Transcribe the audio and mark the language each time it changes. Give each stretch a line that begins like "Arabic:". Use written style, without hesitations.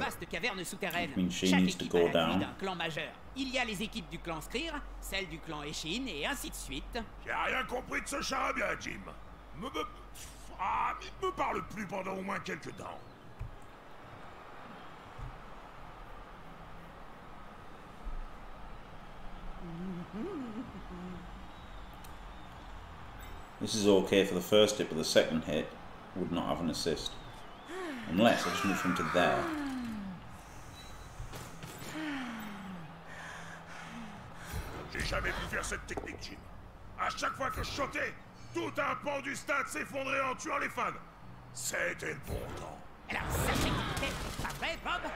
English: I mean, she needs to go down.
French: Clan majeur. Il y a les équipes du clan Skrir, celles du clan Eshin, et ainsi de suite. J'ai rien compris de ce charabia, Jim. Il me parle plus pendant au moins quelques temps.
English: This is okay for the first hit, but the second hit would not have an assist. Unless I just move him to there.
French: J'ai jamais pu faire cette technique, Jim. À chaque fois que je sautais, tout un pan du stade s'effondrait en tuant les fans. C'était le bon temps. Alors sachez que c'est pas vrai, Bob.